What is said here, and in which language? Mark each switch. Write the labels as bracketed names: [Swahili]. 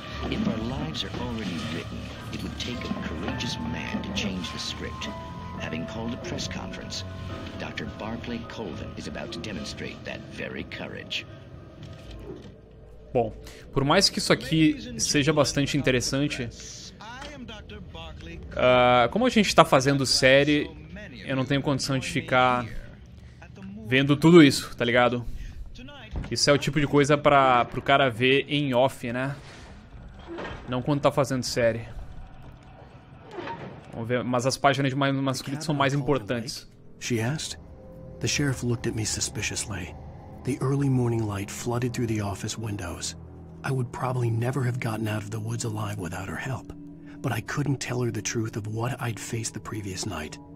[English] If our lives are already written, it would take a courageous man to change the script. Having called a press conference, Dr. Barclay Colvin is about to demonstrate that very courage. [Portuguese] Bom, por mais que isso aqui seja bastante interessante, como a gente tá fazendo série, eu não tenho condição de ficar vendo tudo isso, tá ligado? Isso é o tipo de coisa pra, pro cara ver em off, né? Não quando tá fazendo série. Vamos ver, mas as páginas de manuscrito são mais importantes. [English] She asked. The sheriff looked at me suspiciously. The early morning light flooded through the office windows. I would probably never have gotten out of the woods alive without her help, but I couldn't tell her the truth of what I'd faced the previous night.